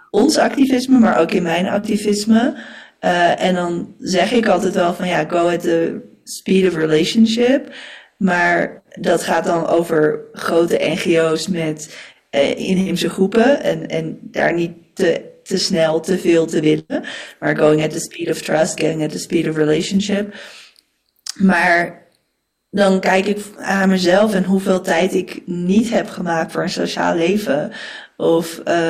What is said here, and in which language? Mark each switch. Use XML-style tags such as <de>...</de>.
<nl>ons activisme, maar ook in mijn activisme. En dan zeg ik altijd wel van ja,</nl> <en>go at the speed of relationship.</en> <nl>Maar dat gaat dan over grote NGO's met inheemse groepen. En daar niet te snel te veel te willen. Maar</nl> <en>going at the speed of trust, going at the speed of relationship.</en> <nl>Maar dan kijk ik aan mezelf en hoeveel tijd ik niet heb gemaakt voor een sociaal leven. Of...</nl>